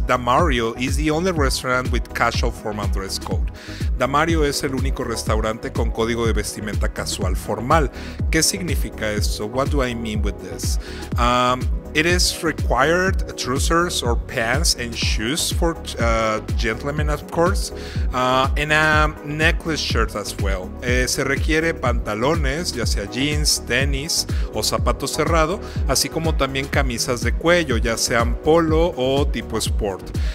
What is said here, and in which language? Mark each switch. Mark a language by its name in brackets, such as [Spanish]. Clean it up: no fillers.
[English] Damario is the only restaurant with casual formal dress code. [Spanish] Damario es el único restaurante con código de vestimenta casual formal. ¿Qué significa esto? [English] What do I mean with this? It is required trousers or pants and shoes for gentlemen, of course, and a necklace shirt as well. [Spanish] Se requiere pantalones, ya sea jeans, tenis o zapato cerrado, así como también camisas de cuello, ya sean polo o tipo sport.